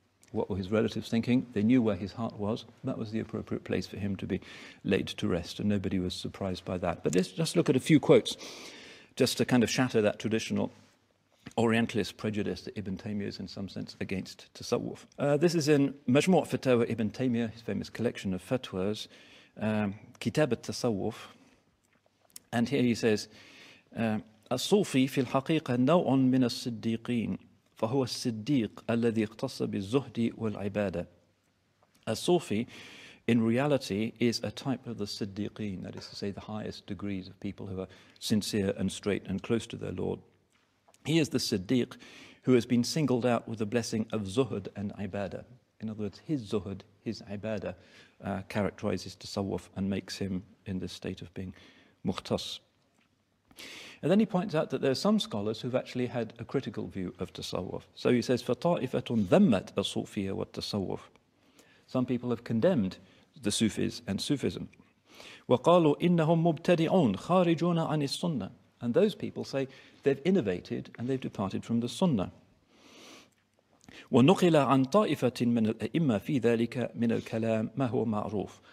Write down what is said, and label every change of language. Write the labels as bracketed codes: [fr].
[en] What were his relatives thinking? They knew where his heart was. That was the appropriate place for him to be laid to rest, and nobody was surprised by that. But let's just look at a few quotes, just to kind of shatter that traditional Orientalist prejudice that Ibn Taymiyyah is in some sense against tasawwuf. This is in Majmu' Fatawa Ibn Taymiyyah, his famous collection of fatwas, Kitab al-Tasawwuf. And here he says, [ar] الصوفي في الحقيقة نوع من الصديقين فهو الصديق الذي اقتص بالزهد والعبادة. [en] A Sufi, in reality, is a type of the Siddiqeen, that is to say the highest degrees of people who are sincere and straight and close to their Lord. He is the Siddiq who has been singled out with the blessing of zuhud and ibadah. In other words, his zuhud, his ibadah, characterizes tasawwuf and makes him in this state of being muhtas. And then he points out that there are some scholars who've actually had a critical view of tasawwuf. So he says, [ar] فَطَائِفَةٌ ذَمَّتْ أَصُوفِيَ وَالتَّصَوَّفِ. [en] Some people have condemned the Sufis and Sufism. [ar] وَقَالُوا إِنَّهُمْ مُبْتَدِعُونَ خَارِجُونَ عَنِ السُنَّةِ. [en] And those people say they've innovated and they've departed from the sunnah. [ar] وَنُقِلَ عَنْ طَائِفَةٍ مِنَ الْأَئِمَّةِ فِي ذَلِكَ مِنَ الْكَلَامِ مَا هُوَ مَعْرُوفٌ.